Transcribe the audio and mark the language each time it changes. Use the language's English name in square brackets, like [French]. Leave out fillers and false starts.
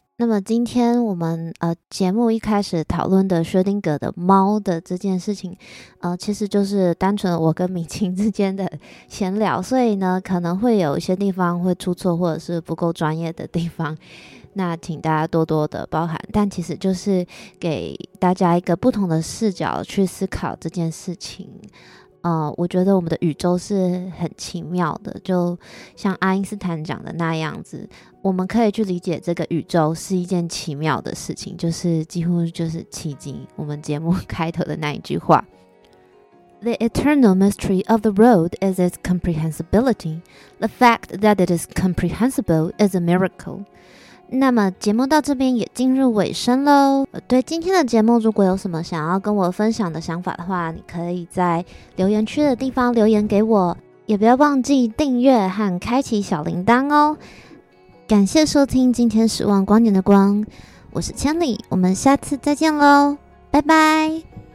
[Chinese] 那么今天我们节目一开始讨论的薛丁格的猫的这件事情，其实就是单纯我跟米青之间的闲聊，所以呢可能会有一些地方会出错或者是不够专业的地方，那请大家多多的包涵，但其实就是给大家一个不同的视角去思考这件事情。我觉得我们的宇宙是很奇妙的，就像爱因斯坦讲的那样子，我们可以去理解这个宇宙是一件奇妙的事情，就是几乎就是奇迹，我们节目开头的那一句话。 [English] The eternal mystery of the road is its comprehensibility. The fact that it is comprehensible is a miracle. [Chinese] 那么节目到这边也进入尾声咯。对今天的节目如果有什么想要跟我分享的想法的话，你可以在留言区的地方留言给我，也不要忘记订阅和开启小铃铛哦。感谢收听今天十万光年的光，我是千里，我们下次再见咯，拜拜。